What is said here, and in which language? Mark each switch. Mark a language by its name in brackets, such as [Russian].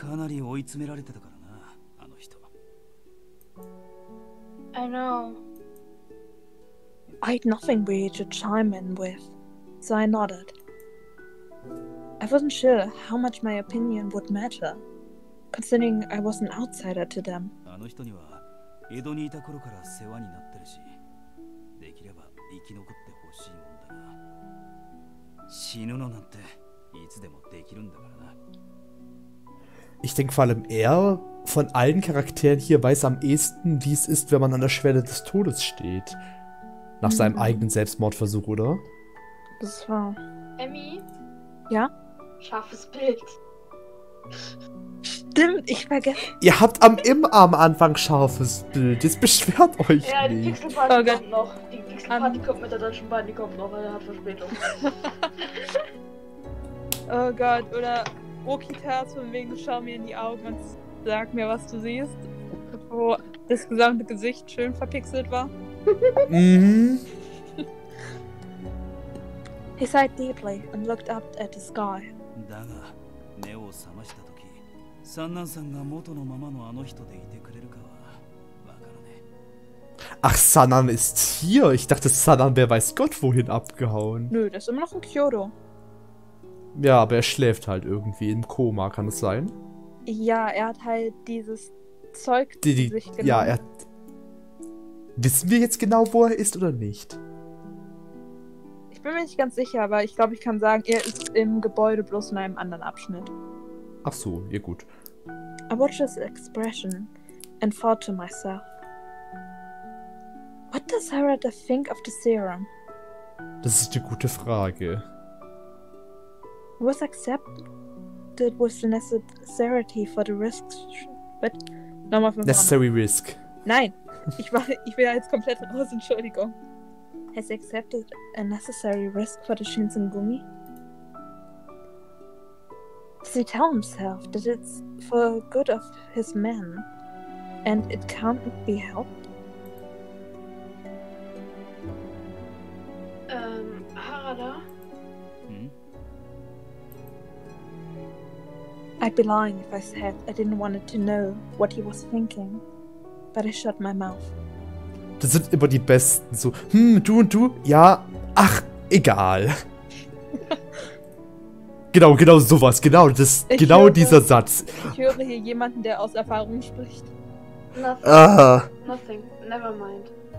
[Japanese] かなり追い詰められてたからな、あの人。 [English] I know. I had nothing for you to chime in with, so I nodded. I wasn't sure how much my opinion would matter, considering I was an outsider to them. [Japanese] あの人には江戸にいた頃から世話になってるし、できれば生き残ってほしいもんだな。死ぬのなんていつでもできるんだからな。 [German] Ich denke vor allem von allen Charakteren hier weiß am ehesten, wie es ist, wenn man an der Schwelle des Todes steht. Nach seinem eigenen Selbstmordversuch, oder? Das war... Emmy? Ja? Scharfes Bild. Stimmt, ich vergesse... Ihr habt am Anfang scharfes Bild. Jetzt beschwert euch ja, Ja, die Pixelparty kommt noch. Die Pixelparty kommt mit der deutschen Band, die kommt noch, weil er hat Verspätung. Oh Gott, oder Okitas von wegen, schau mir in die Augen und sag mir, was du siehst. Wo das gesamte Gesicht schön verpixelt war. [English] He sighed deeply and looked up at the sky. [Japanese] だが、目を覚ました時、三男さんが元のままのあの人でいてくれるかは、わからね。 [German] Ach, Sanan ist hier. Ich dachte, Sanan wäre weiß Gott wohin abgehauen. Nö, der ist immer noch in Kyoto. Ja, aber er schläft halt irgendwie im Koma, kann es sein? Ja, er hat halt dieses Zeug zu sich genommen. Ja, er... Wissen wir jetzt genau, wo er ist oder nicht? Ich bin mir nicht ganz sicher, aber ich glaube, ich kann sagen, er ist im Gebäude bloß in einem anderen Abschnitt. Ach so, ja gut. [English] I watched his expression and thought to myself. What does Harada think of the serum? [German] Das ist eine gute Frage. [English] Was accepted with the necessity for the risks? [German] But, nochmal von [English] necessary vorne. Risk. [German] Nein! Ich bin jetzt komplett raus, Entschuldigung. [English] Has he accepted a necessary risk for the Shinsengumi? Does he tell himself that it's for the good of his men and it can't be helped? Harada? I'd be lying if I said I didn't want to know what he was thinking. But I shut my mouth. [German] Das sind immer die Besten, so, du und du, ja, ach, egal. genau sowas, genau, das, ich genau höre, dieser Satz. Ich höre hier jemanden, der aus Erfahrung spricht. [English] Nothing, never mind.